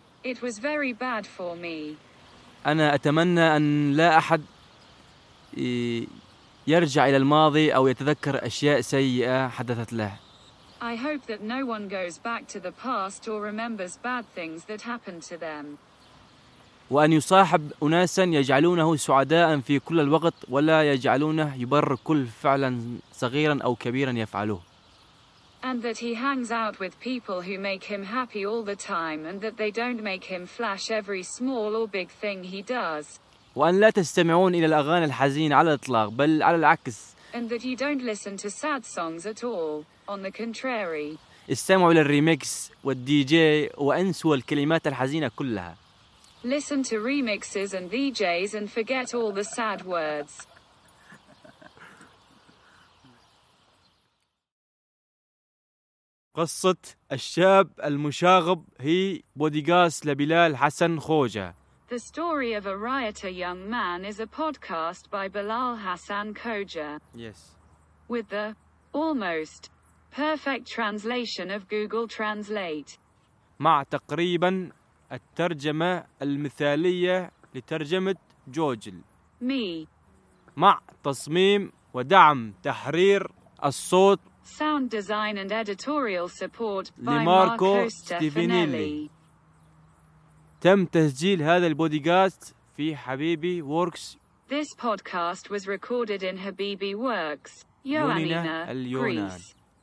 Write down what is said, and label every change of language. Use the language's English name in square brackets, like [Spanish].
[English] It was very bad for me. [Arabic] أنا أتمنى أن لا أحد يرجع إلى الماضي أو يتذكر أشياء سيئة حدثت له. [English] I hope that no one goes back to the past or remembers bad things that happened to them. [Arabic] وأن يصاحب أناسا يجعلونه سعداء في كل الوقت ولا يجعلونه يبرر كل فعلا صغيرا أو كبيرا يفعله. [English] And that he hangs out with people who make him happy all the time and that they don't make him flash every small or big thing he does. [Arabic] وأن لا تستمعون إلى الأغاني الحزينة على الإطلاق بل على العكس. [English] And that you don't listen to sad songs at all, on the contrary. [Arabic] استمعوا إلى الريميكس والدي جي وأنسوا الكلمات الحزينة كلها. [English] listen to remixes and DJs and forget all the sad words. [Arabic] قصة الشاب المشاغب هي بوديغاس لبلال حسن خوجة. [English] The story of a rioter young man is a podcast by Bilal Hassan Khoja. Yes. With the almost perfect translation of Google Translate. [Arabic] مع تقريبا الترجمة المثالية لترجمة جوجل. [English] Me. [Arabic] مع تصميم ودعم تحرير الصوت. [English] Sound design and editorial support by Marco Stefanelli. [Arabic] تم تسجيل هذا البودكاست في حبيبي ووركس. [English] This podcast was recorded in Habibi Works, Ioannina, Greece.